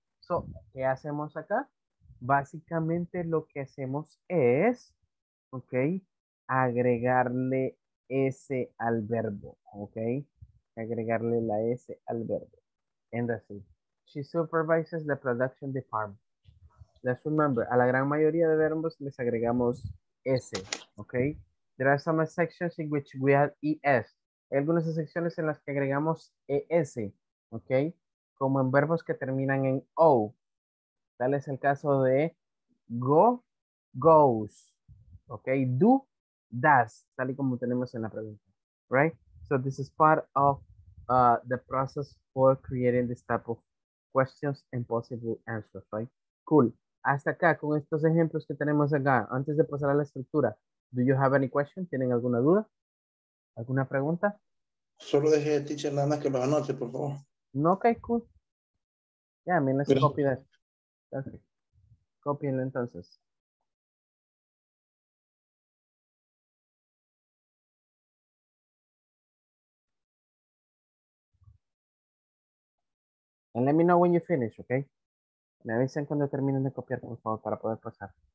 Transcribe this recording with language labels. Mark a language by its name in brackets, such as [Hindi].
[Spanish] So, ¿qué hacemos acá? Básicamente, lo que hacemos es, ¿ok? Agregarle S al verbo, ¿ok? Agregarle la S al verbo. [English] And that's it. She supervises the production department. Let's remember, [Spanish] a la gran mayoría de verbos les agregamos S, ¿ok? [English] There are some sections in which we add ES. [Spanish] Hay algunas secciones en las que agregamos ES, ¿ok? Como en verbos que terminan en O. Tal es el caso de go, goes, ¿ok? Do, does, tal y como tenemos en la pregunta, [English] right? So this is part of the process for creating this type of questions and possible answers, right? [Spanish] Cool. Hasta acá, con estos ejemplos que tenemos acá, antes de pasar a la estructura, [English] do you have any question? [Spanish] ¿Tienen alguna duda? ¿Alguna pregunta? Solo deje de teacher Lana que lo anote, por favor. [English] No, ok, cool. Yeah, [Spanish] me necesito [English] copy that. Perfect. [Spanish] Copienlo entonces. [English] And let me know when you finish, ok? [Spanish] Me avisen cuando terminen de copiar, por favor, para poder pasar.